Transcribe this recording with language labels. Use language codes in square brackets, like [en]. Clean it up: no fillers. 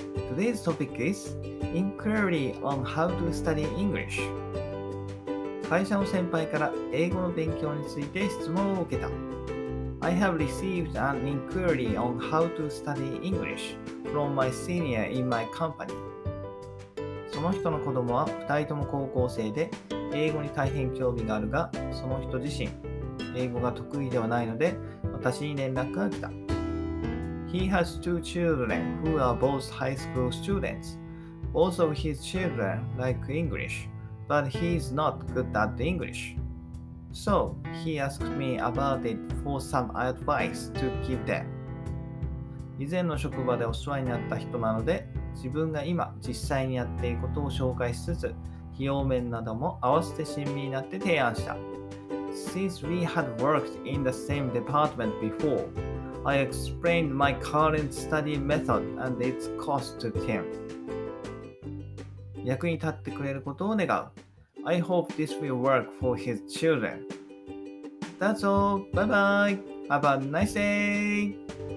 [en] Today's topic is Inquiry on how to study English. [ja] 会社の先輩から英語の勉強について質問を受けた。 [en] I have received an inquiry on how to study English from my senior in my company. [ja] その人の子供は2人とも高校生で英語に大変興味があるが、その人自身英語が得意ではないので私に連絡が来た。 [en] He has two children who are both high school students. Both of his children like English, but he is not good at English. So, he asked me about it for some advice to give them. [ja] 以前の職場でお世話になった人なので、自分が今実際にやっていることを紹介しつつ、費用面なども合わせて親身になって提案した。 [en] Since we had worked in the same department before, I explained my current study method and its cost to him. [ja] 役に立ってくれることを願う。 [en] I hope this will work for his children. That's all. Bye bye. Have a nice day.